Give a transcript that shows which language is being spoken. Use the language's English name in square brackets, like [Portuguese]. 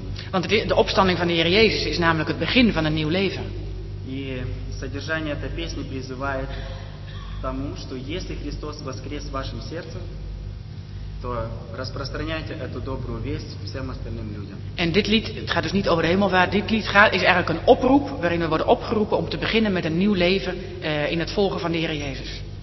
[Dutch] Want de opstanding van de Heer Jezus is namelijk het begin van een nieuw leven. En het [Russian] содержание этой песни призывает тому, что если Христос воскрес в вашем сердце, то распространяйте эту добрую весть всем остальным людям. [Dutch] En dit lied, het gaat dus niet over de hemel, maar dit lied gaat, is eigenlijk een oproep waarin we worden opgeroepen om te beginnen met een nieuw leven in het volgen van de Heer Jezus.